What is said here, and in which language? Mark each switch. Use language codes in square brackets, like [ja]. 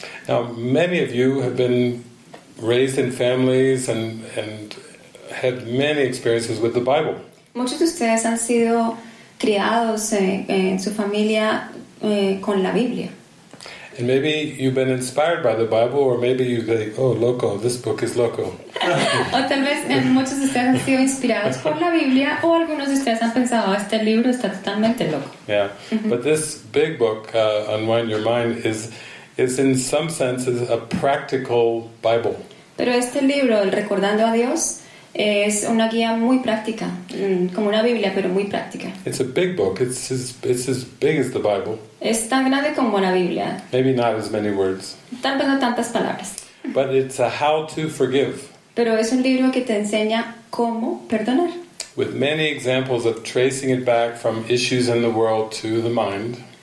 [en] Now, many of you have been raised in families and had many experiences with the Bible. [es] Muchos de ustedes han sido criados en su familia con la Biblia. [en] And maybe you've been inspired by the Bible, or maybe you think, oh, loco, this book is loco. [es] O tal vez muchos de ustedes han sido inspirados por la Biblia, o algunos de ustedes han pensado, este libro está totalmente loco. [en] Yeah, but this big book, Unwind Your Mind, is in some sense is a practical Bible. [es] Pero este libro, El Recordando a Dios, es una guía muy práctica, como una Biblia, pero muy práctica. [en] It's a big book. It's as big as the Bible. [es] Es tan grande como la Biblia. [en] Maybe not as many words. [es] Tal vez no tantas palabras. [en] But it's a how to forgive. [es] Pero es un libro que te enseña cómo perdonar. [en] With many examples of tracing it back from issues in the world to the mind.